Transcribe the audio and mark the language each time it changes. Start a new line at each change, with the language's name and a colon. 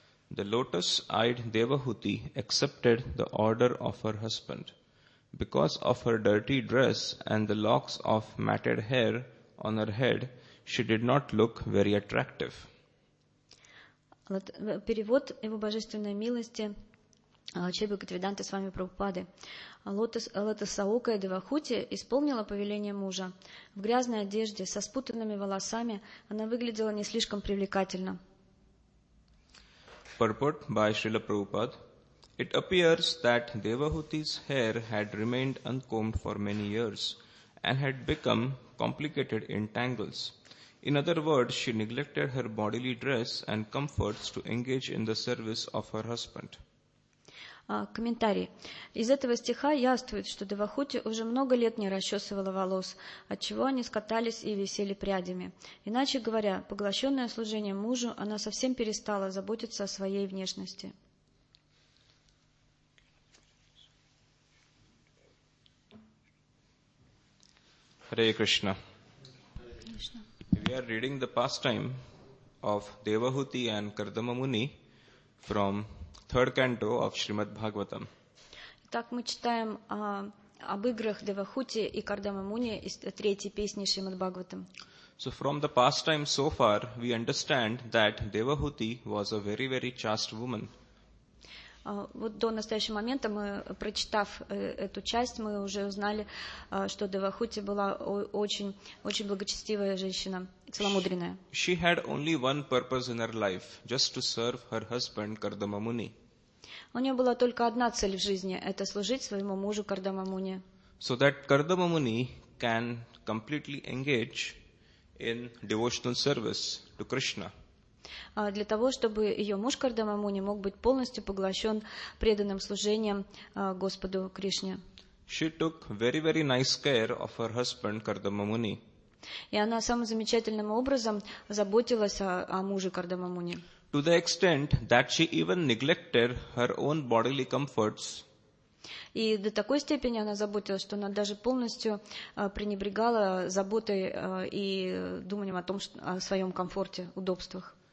English: The lotus-eyed Devahuti accepted the order of her husband. Because of her dirty dress and the locks of matted hair on her head, She did not look very attractive.
Russian: Перевод его божественной милости Чеби Катвиданты с вами Прабхупады. Лотосаока Девахути исполнила повеление мужа. В грязной одежде, со спутанными волосами, она выглядела не слишком привлекательно.
English: Purport by Srila Prabhupada. It appears that Devahuti's hair had remained uncombed for many years and had become complicated in tangles. In other words, she neglected her bodily dress and comforts to engage in the service of her husband.
Russian: Комментарий. Из этого стиха яствует, что Девахути уже много лет не расчесывала волос, отчего они скатались и висели прядями. Иначе говоря, поглощенная служением мужу, она совсем перестала заботиться о своей внешности.
English: Hare Krishna. We are reading the pastime of Devahuti and Kardama Muni from third canto of Srimad Bhagavatam.
Russian: Так мы читаем об играх Девахути и Кардама Муни из третьей песни Шримад Бхагаватам.
English: So from the pastime so far, we understand that Devahuti was a very, very chaste woman.
Russian: Вот до настоящего момента, мы, прочитав эту часть, мы уже узнали, что Девахути была очень, очень благочестивая женщина, целомудренная.
English: She had only one purpose in her life, just to serve her husband Kardama Muni.
Russian: У нее была только одна цель в жизни – это служить своему мужу Кардама Муни.
English: So that Kardama Muni can completely engage in devotional service to Krishna.
Russian: Для того, чтобы ее муж Кардама Муни мог быть полностью поглощен преданным служением Господу Кришне.
English: She took very, very nice care of her husband Kardama Muni.
Russian: И она самым замечательным образом заботилась о муже Кардама Муни.
English: To the extent that she even neglected her own bodily comforts.
Russian: И до такой степени она заботилась, что она даже полностью пренебрегала заботой и думанием о том, о своем комфорте, удобствах.